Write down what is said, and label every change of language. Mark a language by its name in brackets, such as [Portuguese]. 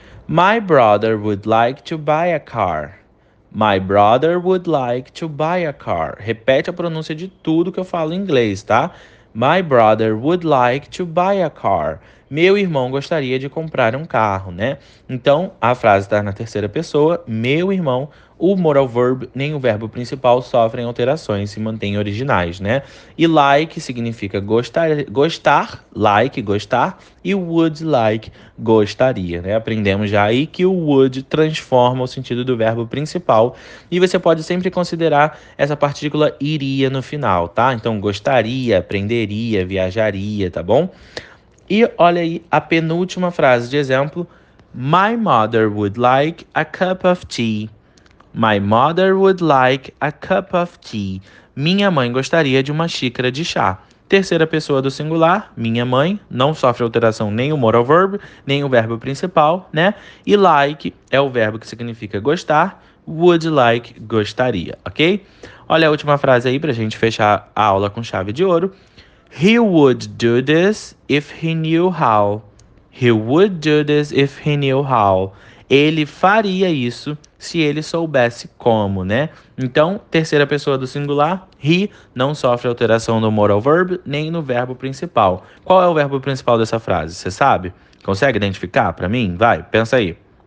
[English] My brother would like to buy a car. My brother would like to buy a car. [Portuguese] Repete a pronúncia de tudo que eu falo em inglês, tá? [English] My brother would like to buy a car. [Portuguese] Meu irmão gostaria de comprar um carro, né? Então, a frase está na terceira pessoa. Meu irmão, o modal verb nem o verbo principal sofrem alterações, se mantêm originais, né? E like significa gostar, like, gostar. E would like, gostaria, né? Aprendemos já aí que o would transforma o sentido do verbo principal. E você pode sempre considerar essa partícula iria no final, tá? Então, gostaria, aprenderia, viajaria, tá bom? E olha aí a penúltima frase de exemplo. [English] My mother would like a cup of tea. My mother would like a cup of tea. [Portuguese] Minha mãe gostaria de uma xícara de chá. Terceira pessoa do singular, minha mãe, não sofre alteração nem o modal verb, nem o verbo principal, né? E like é o verbo que significa gostar. Would like, gostaria, ok? Olha a última frase aí para a gente fechar a aula com chave de ouro. [English] He would do this if he knew how. He would do this if he knew how. [Portuguese] Ele faria isso se ele soubesse como, né? Então, terceira pessoa do singular, he não sofre alteração no modal verb nem no verbo principal. Qual é o verbo principal dessa frase? Você sabe? Consegue identificar para mim? Vai, pensa aí.